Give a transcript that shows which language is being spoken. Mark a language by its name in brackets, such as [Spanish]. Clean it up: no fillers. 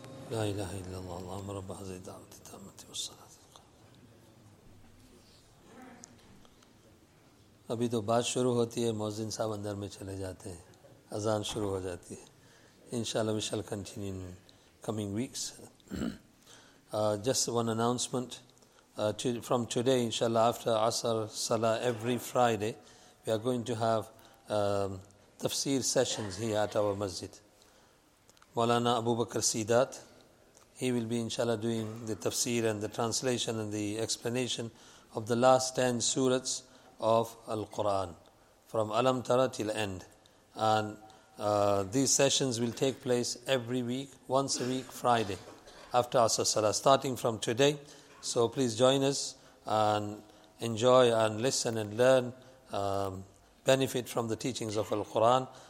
[Arabic] لا إله إلا الله اللهم رب هذه الدعوة التامة والصلاة. [Urdu] ابھی تو بات شروع ہوتی ہے, مؤذن صاحب اندر میں چلے جاتے ہیں, اذان شروع ہو جاتی ہے. [English] انشاءاللہ we shall continue in coming weeks. Just one announcement, from today انشاءاللہ after عصر صلاح every Friday we are going to have تفسیر sessions here at our مسجد. Maulana Abu Bakr Sidat, he will be انشاءاللہ doing the تفسیر and the translation and the explanation of the last 10 سورتس of Al-Quran from Alam Tara till end. And these sessions will take place every week, once a week, Friday after Asr Salah, starting from today. So please join us and enjoy and listen and learn, benefit from the teachings of Al-Quran.